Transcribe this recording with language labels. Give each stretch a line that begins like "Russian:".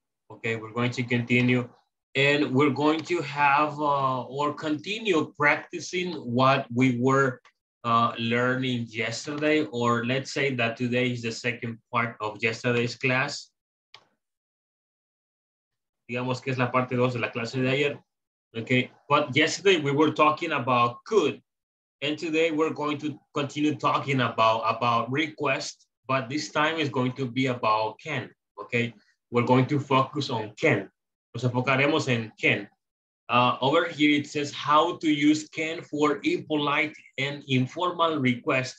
English: Okay, we're going to continue. And we're going to have or continue practicing what we were learning yesterday, or let's say that today is the second part of yesterday's class.
Spanish: Digamos que es la parte dos de la clase de ayer.
English: Okay, but yesterday we were talking about could. And today we're going to continue talking about request, but this time it's going to be about can, okay? We're going to focus on can.
Spanish: Nos enfocaremos en can.
English: Over here it says how to use can for impolite and informal request.